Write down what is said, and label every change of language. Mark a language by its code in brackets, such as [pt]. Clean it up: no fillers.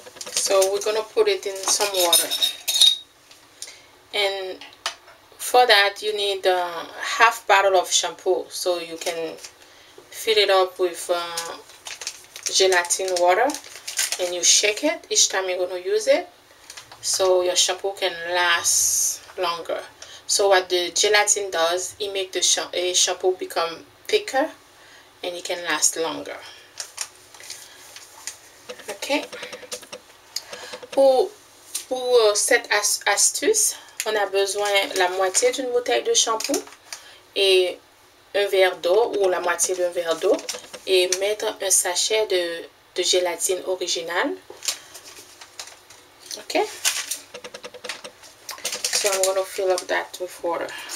[en] So we're gonna put it in some water. And for that, you need a half bottle of shampoo, so you can fill it up with gelatin water. And you shake it each time you're going to use it so your shampoo can last longer. So what the gelatin does, it makes the shampoo become thicker and it can last longer. Okay. [fr] Pour cette astuce, on a besoin la moitié d'une bouteille de shampoo et un verre d'eau ou la moitié d'un verre d'eau et mettre un sachet de gélatine originale. Okay. [en] So I'm going to fill up that with water.